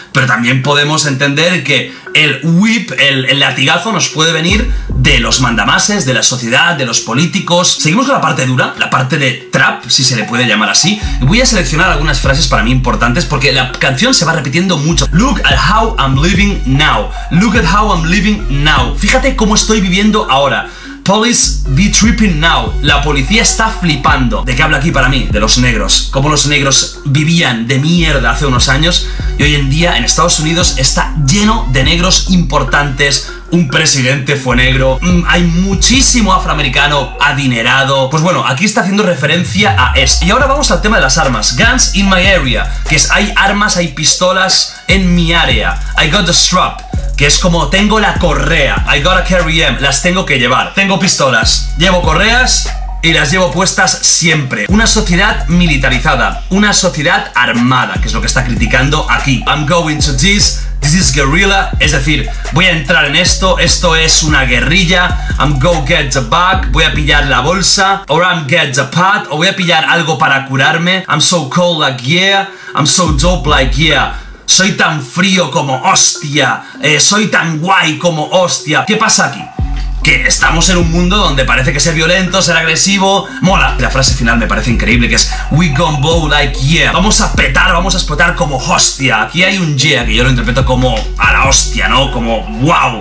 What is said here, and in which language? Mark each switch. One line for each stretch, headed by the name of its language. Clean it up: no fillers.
Spanish: pero también podemos entender que el whip, el latigazo, nos puede venir de los mandamases, de la sociedad, de los políticos. Seguimos con la parte dura, la parte de trap, si se le puede llamar así. Voy a seleccionar algunas frases para mí importantes porque la canción se va repitiendo mucho.
English: Look at how I'm living now. Look at how I'm living now.
Spanish: Fíjate cómo estoy viviendo ahora.
English: Police be tripping now.
Spanish: La policía está flipando. ¿De qué habla aquí para mí? De los negros. Cómo los negros vivían de mierda hace unos años y hoy en día en Estados Unidos está lleno de negros importantes. Un presidente fue negro. Hay muchísimo afroamericano adinerado. Pues bueno, aquí está haciendo referencia a eso. Y ahora vamos al tema de las armas.
English: Guns in my area.
Spanish: Que es, hay armas, hay pistolas en mi área.
English: I got the strap.
Spanish: Que es como, tengo la correa.
English: I gotta carry them,
Spanish: las tengo que llevar. Tengo pistolas, llevo correas y las llevo puestas siempre. Una sociedad militarizada, una sociedad armada, que es lo que está criticando aquí.
English: I'm going to this, this is guerrilla.
Spanish: Es decir, voy a entrar en esto, esto es una guerrilla.
English: I'm going to get the bag,
Spanish: voy a pillar la bolsa.
English: Or I'm get the pad,
Spanish: o voy a pillar algo para curarme.
English: I'm so cold like yeah, I'm so dope like yeah.
Spanish: Soy tan frío como hostia, soy tan guay como hostia. ¿Qué pasa aquí? Que estamos en un mundo donde parece que ser violento, ser agresivo, mola. La frase final me parece increíble, que es
English: we gon' blow like yeah.
Spanish: Vamos a petar, vamos a explotar como hostia. Aquí hay un yeah que yo lo interpreto como a la hostia, ¿no? Como wow.